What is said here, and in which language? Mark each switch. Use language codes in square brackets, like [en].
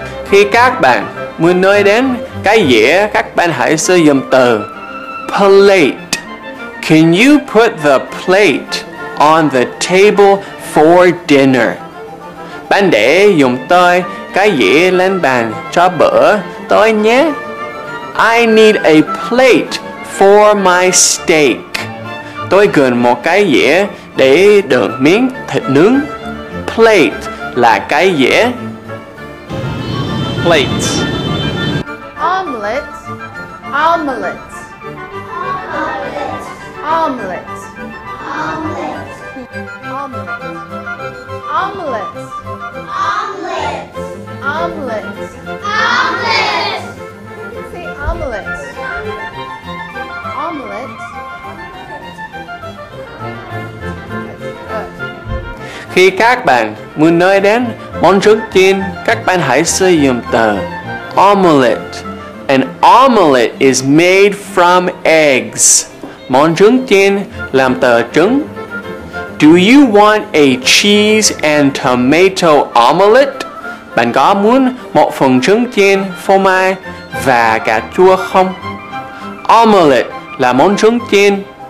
[vi] Khi các bạn muốn nói đến cái dĩa, các bạn hãy sử dụng từ plate. [en] Can you put the plate on the table for dinner? [vi] Bạn để dùng tôi cái dĩa lên bàn cho bữa tối nhé. [en] I need a plate for my steak. [vi] Tôi cần một cái dĩa để đựng miếng thịt nướng. Plate là cái dĩa. [en] Plates. Omelette. Omelette. Omelette. Omelette. Omelette. Omelette. Omelette. Omelette. Omelette. [vi] Khi các bạn muốn nói đến món trứng chiên, các bạn hãy sử dụng từ omelette. [en] An omelette is made from eggs. [vi] Món trứng chiên làm từ trứng. [en] Do you want a cheese and tomato omelette? [vi] Bạn có muốn một phần trứng chiên, phô mai và cà chua không? Omelette là món trứng chiên.